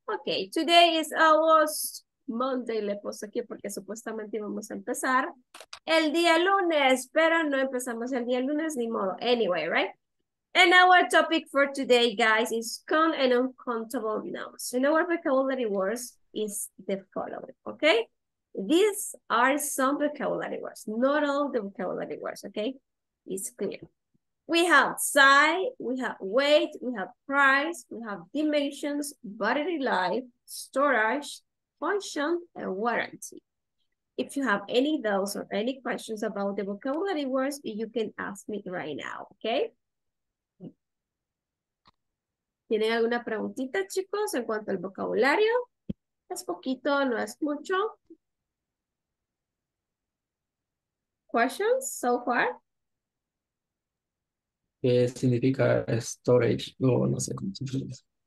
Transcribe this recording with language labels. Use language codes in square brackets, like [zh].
[en] Ok, today is almost Monday, [es] le puse aquí porque supuestamente íbamos a empezar el día lunes, pero no empezamos el día lunes, ni modo. [en] Anyway, right? And our topic for today, guys, is con and uncountable nouns. In our vocabulary words, is the following, okay? These are some vocabulary words, not all the vocabulary words, okay? It's clear. We have size, we have weight, we have price, we have dimensions, battery life, storage, function, and warranty. If you have any doubts or any questions about the vocabulary words, you can ask me right now, okay? [es] ¿Tienen alguna preguntita, chicos, en cuanto al vocabulario? Es poquito, no es mucho. [en] Questions so far? [es] ¿Qué significa storage? No sé cómo se dice.